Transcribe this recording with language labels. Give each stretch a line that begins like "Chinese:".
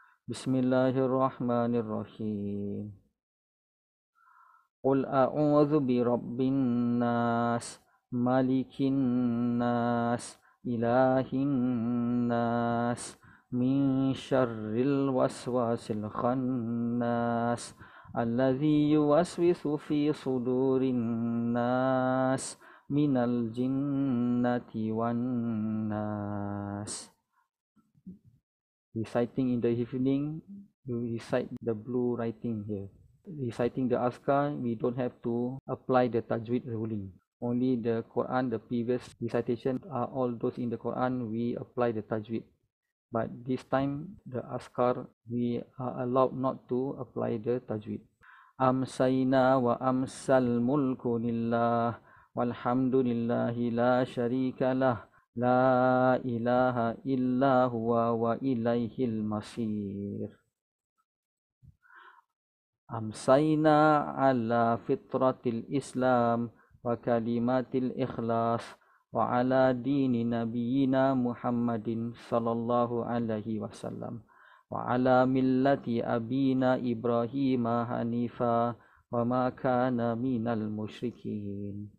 Arabic: بسم الله الرحمن الرحيم. قل أعوذ برب الناس، ملك الناس، إله الناس، من شر الوسواس الخناس، الذي يوسوس في صدور الناس من الجنة والناس.
English: Reciting in the evening, you recite the blue writing here. Reciting the Azkar, we don't have to apply the Tajwid ruling. Only the Quran, the previous recitation are all those in the Quran, we apply the Tajwid. But this time, the Azkar, we are allowed not to apply the Tajwid.
Arabic: أمسينا وأمسى الملك لله والحمد لله لا شريك له لا إله إلا هو وإليه المصير. أمسينا على فطرة الإسلام وكلمات الإخلاص وعلى دين نبينا محمد صلى الله عليه وسلم وعلى ملة أبينا إبراهيم حنيفا وما كان من المشركين.